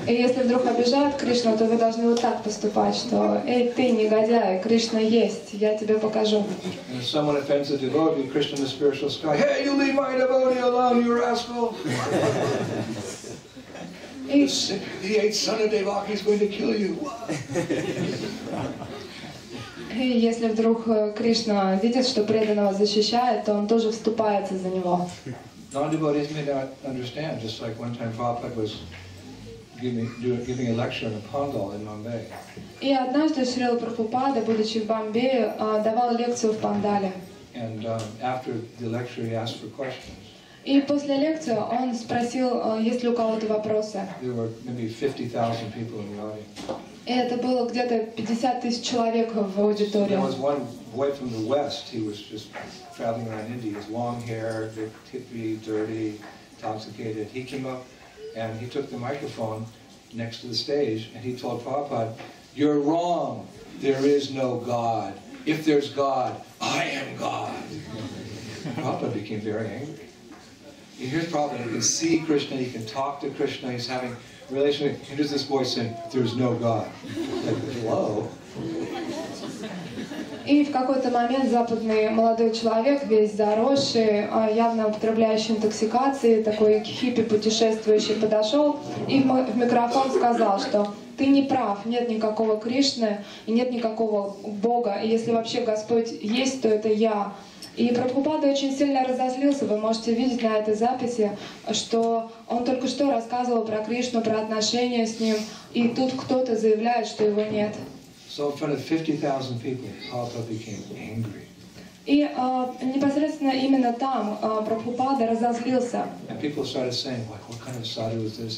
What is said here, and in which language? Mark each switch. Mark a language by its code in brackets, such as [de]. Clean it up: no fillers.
[ru] И если вдруг обижают Кришну, то вы должны вот так поступать, что, эй, ты негодяй, Кришна есть, я тебе покажу. [en] And if someone offends a devotee, Krishna in the spiritual sky, hey, you leave my devotee alone, you rascal! The eighth son of Devaki is going to kill you. [ru] И если вдруг Кришна видит, что преданного защищает, то он тоже вступается за него. [en] Non-devotees may not understand, just like one time Prabhupada was giving a lecture in a Pandal in Bombay. [ru] И однажды Шрила Прабхупада, будучи в Бомбее, давал лекцию в Пандале. [en] And after the lecture he asked for questions. [ru] И после лекции он спросил, есть ли у кого-то вопросы. [en] There were maybe 50,000 people in the audience. [ru] И это было где-то 50 тысяч человек в аудитории. [en] There was one boy from the west. He was just traveling around India. His long hair, hippy, dirty, intoxicated. He came up and he took the microphone next to the stage and he told Prabhupada, "You're wrong. There is no God. If there's God, I am God." Prabhupada became very angry. And here's Prabhupada. He can see Krishna. He can talk to Krishna. He's having relationship, and there's this voice saying, "There's no God." Hello. [ru] И в какой-то момент западный молодой человек, весь заросший, явно употребляющий интоксикации, такой хиппи путешествующий, подошел и в микрофон сказал, что ты не прав, нет никакого Кришны и нет никакого Бога, и если вообще Господь есть, то это я. И Прабхупада очень сильно разозлился, вы можете видеть на этой записи, что он только что рассказывал про Кришну, про отношения с ним, и тут кто-то заявляет, что его нет. [en] So in front of 50,000 people, Prabhupada became angry. [ru] И непосредственно именно там Прабхупада разозлился. [en] And people started saying, like, what kind of sadhu is this?